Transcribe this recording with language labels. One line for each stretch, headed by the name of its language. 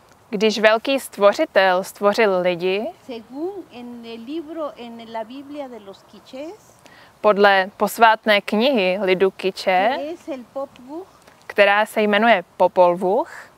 Czech: když velký stvořitel stvořil lidi,
Spanish: según en el libro en la Biblia de los Quichés,
Czech: podle posvátné knihy lidu Quiché, která se jmenuje Popol Vuh,